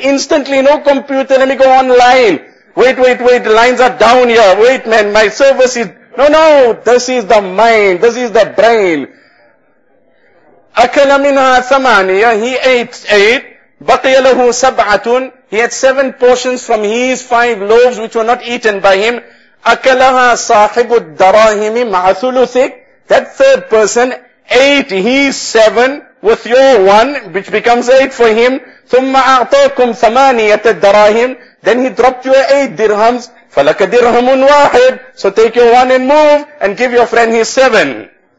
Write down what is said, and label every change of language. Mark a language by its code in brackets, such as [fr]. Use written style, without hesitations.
[en] Instantly, no computer, let me go online. Wait, wait, wait, the lines are down here. Wait, man, my service is... No, no, this is the mind, this is the brain. [ar] أَكَلَ مِنْهَا ثَمَانِيَةً. [en] He ate eight. [ar] بَقِيَ لَهُ سَبْعَةٌ. [en] He had seven portions from his five loaves which were not eaten by him. [ar] أَكَلَهَا صَاحِبُ الدَّرَاهِمِ مَعَ ثُلُثِكَ. [en] That third person ate his seven with your one, which becomes eight for him. [ar] ثُمَّ أَعْطَاكُمْ ثَمَانِيَةَ الدَّرَاهِمْ. [en] Then he dropped your eight dirhams. [ar] فَلَكَ دِرْهَمٌ وَاحِدٌ. [en] So take your one and move and give your friend his seven.